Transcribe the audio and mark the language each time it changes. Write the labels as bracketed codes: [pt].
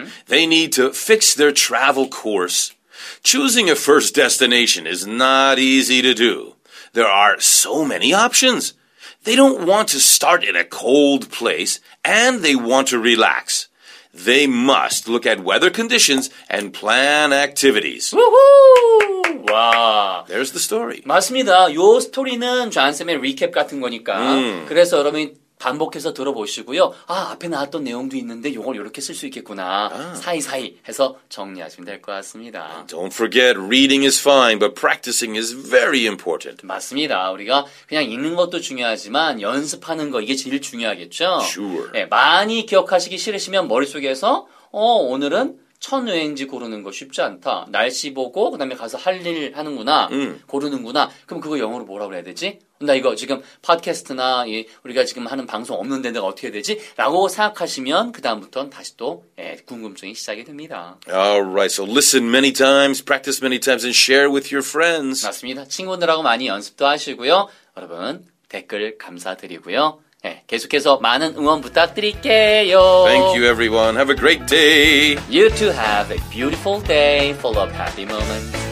[en] They need to fix their travel course. Choosing a first destination is not easy to do. There are so many options. They don't want to start in a cold place, and they want to relax. They must look at weather conditions and plan activities. Woohoo! 와. There's the story. [ko] 맞습니다. 요 스토리는 존슨의 리캡 같은 거니까. 그래서 여러분이 반복해서 들어보시고요. 아, 앞에 나왔던 내용도 있는데 이걸 이렇게 쓸 수 있겠구나. 아. 사이사이 해서 정리하시면 될 것 같습니다. [en] And don't forget, reading is fine, but practicing is very important. 맞습니다. [ko] 우리가 그냥 읽는 것도 중요하지만 연습하는 거, 이게 제일 중요하겠죠? [en] Sure. [ko] 네, 많이 기억하시기 싫으시면 머릿속에서 오늘은 첫 여행지 고르는 거 쉽지 않다. 날씨 보고 그다음에 가서 할 일 하는구나. 고르는구나. 그럼 그거 영어로 뭐라고 해야 되지? 나 이거 지금 팟캐스트나 이 우리가 지금 하는 방송 없는데 내가 어떻게 해야 되지? 라고 생각하시면 그다음부터는 다시 또 궁금증이 시작이 됩니다. [en] Alright, so listen many times, practice many times, and share with your friends. [ko] 맞습니다. 친구들하고 많이 연습도 하시고요. 여러분, 댓글 감사드리고요. 네, 계속해서 많은 응원 부탁드릴게요. [en] Thank you, everyone. Have a great day. You too have a beautiful day full of happy moments.